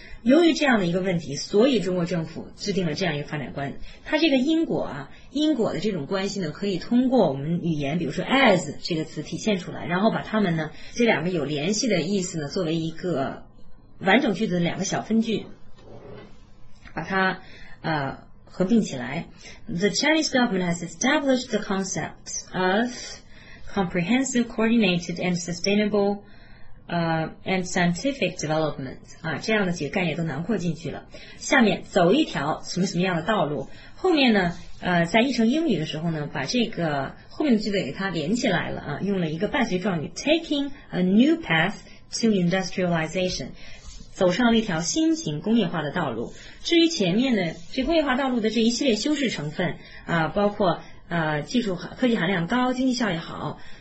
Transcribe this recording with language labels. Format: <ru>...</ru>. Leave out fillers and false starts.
<zh>由于这样的一个问题，所以中国政府制定了这样一个发展观。它这个因果啊，因果的这种关系呢，可以通过我们语言，比如说 as 这个词体现出来，然后把它们呢这两个有联系的意思呢，作为一个完整句子的两个小分句，把它。合并起来</zh> <en>The Chinese government has established the concept of comprehensive, coordinated, and sustainable, and scientific development.</en> <zh>啊，这样的几个概念都囊括进去了。下面走一条什么什么样的道路？后面呢？在译成英语的时候呢，把这个后面的句子给它连起来了啊，用了一个伴随状语 ，</zh> <en>taking a new path to industrialization.</en> <zh>走上了一条新型工业化的道路。至于前面的这工业化道路的这一系列修饰成分啊，包括技术科技含量高、经济效益好、</zh>